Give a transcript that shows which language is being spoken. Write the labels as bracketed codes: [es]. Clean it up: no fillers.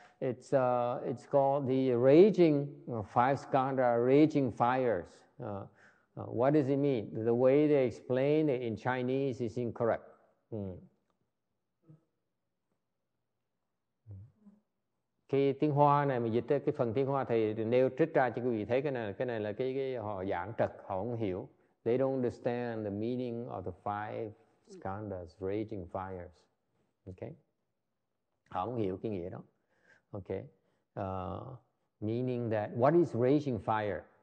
[en] It's called the raging five skandha, raging fires. What does it mean? The way they explain it in Chinese is incorrect. Mm. [vi] cái tiếng Hoa này, mình dịch cái phần tiếng Hoa thầy nêu trích ra cho quý vị thấy, cái này là cái họ giảng trật, họ không hiểu. [en] They don't understand the meaning of the five skandhas, raging fires. Okay, [vi] họ không hiểu cái nghĩa đó. [en] Okay, meaning that what is raging fire?